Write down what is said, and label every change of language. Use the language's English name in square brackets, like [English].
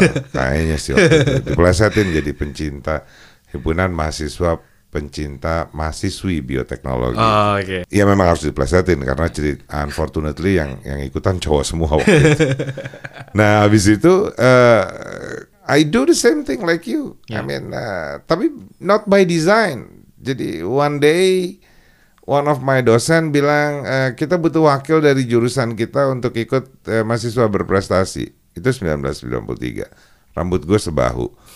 [Indonesian] Kayaknya sih waktu itu dipelesetin jadi pencinta himpunan mahasiswa pencinta mahasiswi bioteknologi. [English] Oh, okay. [Indonesian] Ya memang harus diplesetin karena cerita, [English] unfortunately [Indonesian] yang ikutan cowok semua waktu itu. Nah, habis itu [English] I do the same thing like you. Yeah. I mean, [Indonesian] tapi [English] not by design. [Indonesian] Jadi [English] one day one of my [Indonesian] dosen bilang kita butuh wakil dari jurusan kita untuk ikut mahasiswa berprestasi. Itu 1993. Rambut gue sebahu.